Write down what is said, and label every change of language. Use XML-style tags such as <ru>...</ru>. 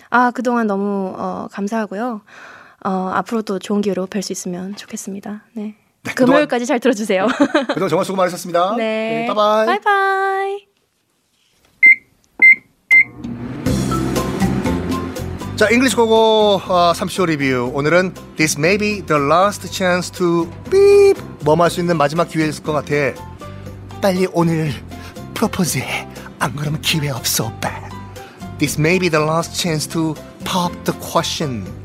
<ko>아, 그동안 너무 감사하고요. 앞으로도 좋은 기회로 뵐 수 있으면 좋겠습니다. 네. 네, 금요일까지 잘 들어주세요. 그동안 정말 수고 많으셨습니다. 네. 바이바이. 네, 바이바이. 자, 잉글리시 고고 3쇼 리뷰. 오늘은</ko> <en>This may be the last chance to beep.</en> <ko>멈할 수 있는 마지막 기회일 것 같아. 빨리 오늘 프로포즈해. 안 그러면 기회 없어, 오빠.</ko> <en>This may be the last chance to pop the question.</en>